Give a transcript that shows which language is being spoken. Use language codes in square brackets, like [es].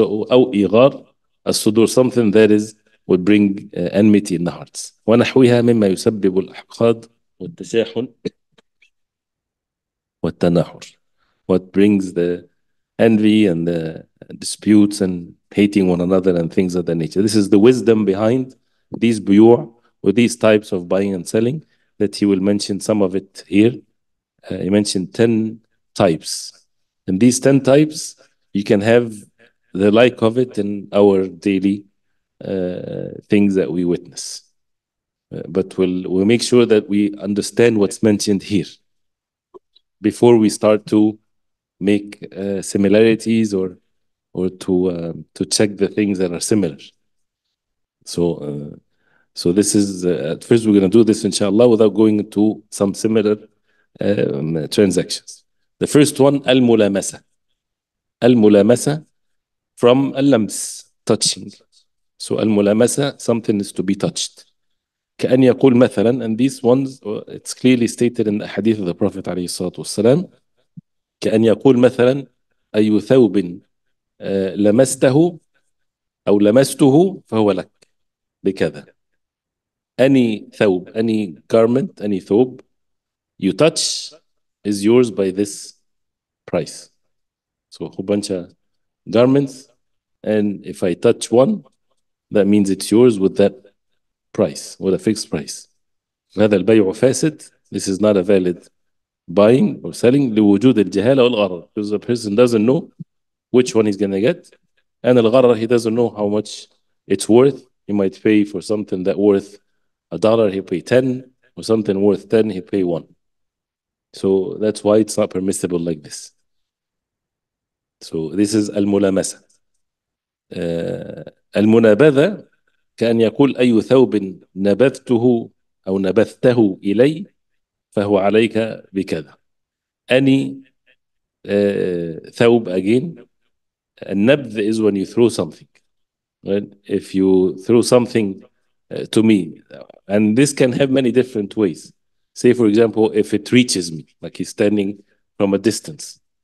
[en] So [ar] أو إغار الصدور, [en] something that is would bring enmity in the hearts. [ar] ونحوها مما يسبب الأحقاد والتساحن والتناحر. [en] What brings the envy and the disputes and hating one another and things of that nature. This is the wisdom behind these buyu' or these types of buying and selling, that he will mention some of it here. He mentioned 10 types. And these 10 types, you can have the like of it in our daily things that we witness. But we'll make sure that we understand what's mentioned here before we start to make similarities or to check the things that are similar. So this is, at first we're going to do this inshallah without going into some similar transactions. The first one, al-mulamasa. Al-mulamasa, from al-lams, touching. So al-mulamasa, something is to be touched. [ar] كَأَنْ يَقُولْ مَثَلًا, [en] and these ones, it's clearly stated in the hadith of the Prophet [ar] عليه الصلاة والسلام, كَأَنْ يَقُولْ مَثَلًا أَيُّ ثَوْبٍ لَمَسْتَهُ أَوْ لَمَسْتُهُ فَهُوَ لَكْ بِكَذَا. [en] Any thawb, any garment, any thawb you touch is yours by this price. So a whole bunch of garments, and if I touch one, that means it's yours with that price, with a fixed price. [ar] هذا البيع فاسد. [en] This is not a valid buying or selling. [ar] لوجود الجهالة والغرر. [en] Because the person doesn't know which one he's going to get. And الغرر, he doesn't know how much it's worth. He might pay for something that worth a dollar, he'll pay 10. Or something worth 10, he'll pay 1. So that's why it's not permissible like this. So this is al-mulamasa. [ar] Al-munabadha, كأن يقول أي ثوب نبذته أو نبذته إلي فهو عليك بكذا. [en] Any ثوب, again, النبذ is when you throw something. Right? If you throw something to me, and this can have many different ways. Say, for example, if it reaches me, like he's standing from a distance.